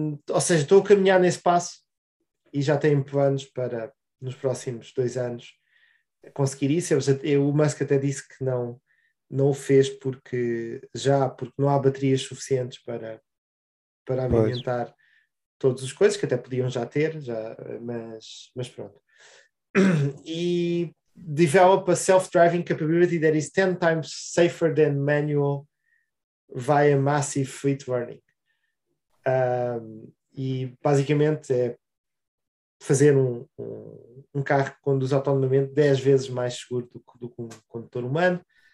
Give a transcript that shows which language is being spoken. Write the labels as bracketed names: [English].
[Portuguese] Ou seja, estou a caminhar nesse passo e já tenho planos para, nos próximos 2 anos, conseguir isso. O Musk até disse que não o fez porque não há baterias suficientes para alimentar todas as coisas, que até podiam já ter, mas pronto. [English] E develop a self-driving capability that is 10 times safer than manual via massive fleet learning. [Portuguese] E basicamente é fazer um carro que conduz autonomamente 10 vezes mais seguro do que um condutor humano.